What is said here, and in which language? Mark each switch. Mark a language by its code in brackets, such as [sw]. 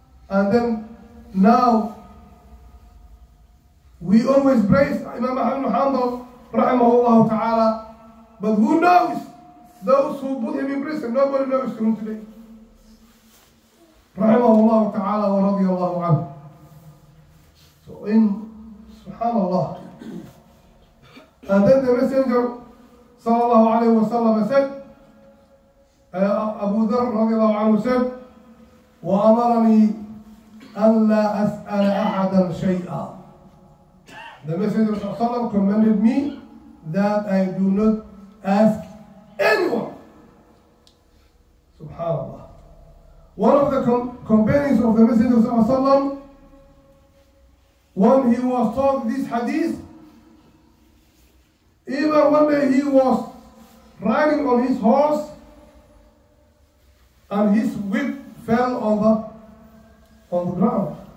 [en] And then now we always praise Imam Ahmad Muhammad rahimahullah ta'ala, but who knows? Those who put him in prison, nobody knows him today. [ar] رحمه الله تعالى ورضي الله عنه. [en] So in [ar] سبحان الله. [en] And then the Messenger [ar] صلى الله عليه وسلم said, أبو ذر رضي الله عنه said, وأمرني أن لا أسأل أحدا شيئا. [en] The Messenger [ar] صلى الله عليه وسلم [en] commanded me that I do not ask anyone. Subhanallah. One of the companions of the Messenger of Allah, when he was taught this hadith, even one day he was riding on his horse and his whip fell on the ground.